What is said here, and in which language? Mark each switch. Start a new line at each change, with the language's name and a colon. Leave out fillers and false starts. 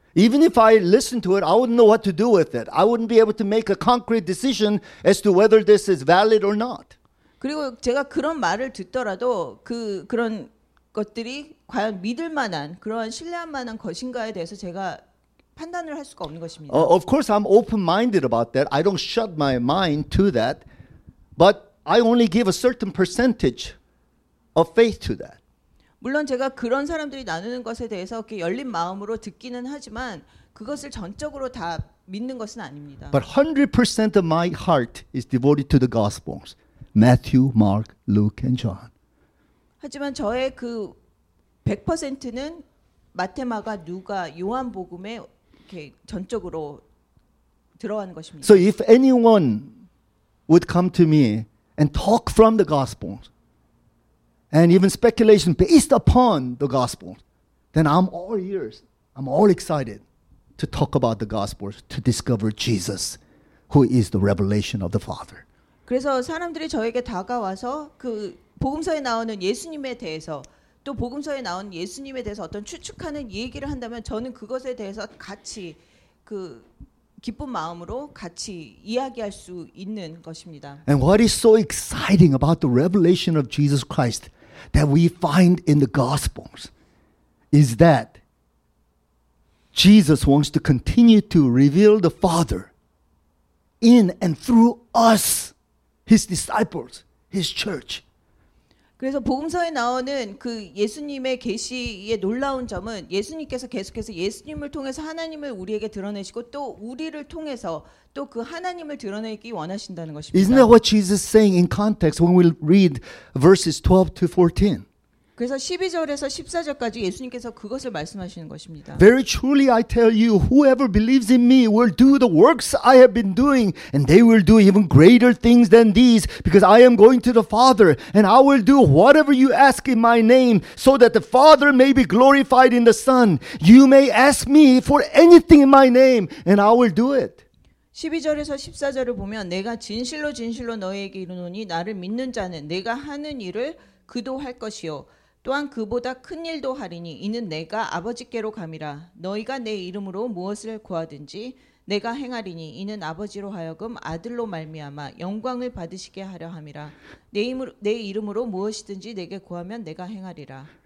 English: Even if I listened to it, I wouldn't know what to do with it. I wouldn't be able to make a concrete decision as to whether this is valid or not.
Korean: 그리고 제가 그런 말을 듣더라도 그런 것들이 과연 믿을 만한 그러한 신뢰할 만한 것인가에 대해서 제가 판단을 할 수가 없는 것입니다.
English: Of course I'm open-minded about that. I don't shut my mind to that. But I only give a certain percentage of faith to that.
Korean: 물론 제가 그런 사람들이 나누는 것에 대해서 이렇게 열린 마음으로 듣기는 하지만 그것을 전적으로 다 믿는 것은 아닙니다.
English: But 100% of my heart is devoted to the gospels. Matthew, Mark, Luke, and John.
Korean: 하지만 저의 그 100%는 마태마가 누가 요한복음에 이렇게 전적으로 들어가는 것입니다.
English: So if anyone would come to me and talk from the Gospels and even speculation based upon the Gospels, then I'm all ears. I'm all excited to talk about the Gospels to discover Jesus, who is the revelation of the Father.
Korean: 그래서 사람들이 저에게 다가와서 그 복음서에 나오는 예수님에 대해서 또 복음서에 나온 예수님에 대해서 어떤 추측하는 얘기를 한다면 저는 그것에 대해서 같이 그 기쁜 마음으로 같이 이야기할 수 있는 것입니다.
English: And what is so exciting about the revelation of Jesus Christ that we find in the Gospels is that Jesus wants to continue to reveal the Father in and through us. His disciples, his church.
Korean: 그래서 복음서에 나오는 그 예수님의 계시의 놀라운 점은 예수님께서 계속해서 예수님을 통해서 하나님을 우리에게 드러내시고 또 우리를 통해서 또 그 하나님을 드러내기 원하신다는 것입니다.
English: Isn't that what Jesus is saying in context when we read verses 12 to 14?
Korean: 그래서 12절에서 14절까지 예수님께서 그것을 말씀하시는 것입니다.
English: Very truly I tell you, whoever believes in me will do the works I have been doing, and they will do even greater things than these, because I am going to the Father, and I will do whatever you ask in my name, so that the Father may be glorified in the Son. You may ask me for anything in my name, and I will do it.
Korean: 12절에서 14절을 보면 내가 진실로 진실로 너희에게 이르노니 나를 믿는 자는 내가 하는 일을 그도 할 것이요 또한 그보다 큰 일도 하리니 이는 내가 아버지께로 감이라 너희가 내 이름으로 무엇을 구하든지 내가 행하리니 이는 아버지로 하여금 아들로 말미암아 영광을 받으시게 하려 함이라 내 이름으로 무엇이든지 내게 구하면 내가 행하리라.